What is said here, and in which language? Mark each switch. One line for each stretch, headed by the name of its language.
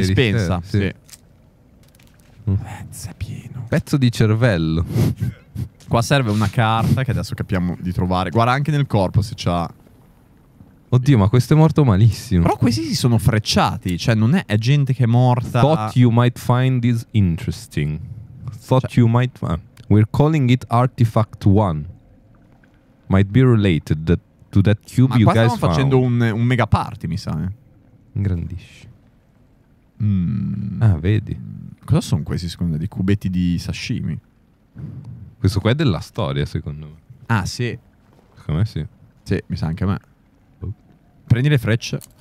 Italian: dispensa, riserve, sì. Mezzo è pieno. Pezzo di cervello. Qua serve una carta che adesso capiamo di trovare. Guarda anche nel corpo se c'ha... Oddio, ma questo è morto malissimo. Però questi si sono frecciati. Cioè, non è... È gente che è morta...
English: Thought you might find this interesting. Thought cioè... you might... We're calling it Artifact One. Might be related to that cube
Italian: ma
English: you guys found.
Italian: Ma stiamo facendo un mega party, mi sa, eh. Ingrandisci. Mm. Ah, vedi. Cosa sono questi, secondo te? Dei cubetti di sashimi? Questo qua è della storia, secondo me. Ah, sì. Secondo me sì. Sì, mi sa anche a me. Prendi le frecce.